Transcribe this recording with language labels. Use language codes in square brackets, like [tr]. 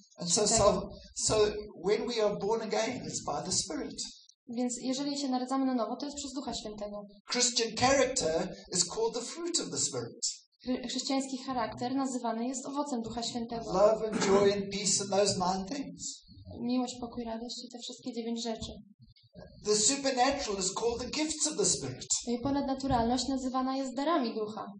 [en] And so when we are born again, it's by the Spirit. [pl] Więc jeżeli się narodzamy na nowo, to jest przez Ducha Świętego. [en] Christian character is called the fruit of the Spirit. [pl] Chrześcijański charakter nazywany jest owocem Ducha Świętego. [en] Love and joy and peace and those nine things. [pl] Miłość, pokój, radość i te wszystkie dziewięć rzeczy. [en] The supernatural is called the gifts of the Spirit. [pl] I ponadnaturalność nazywana jest darami Ducha.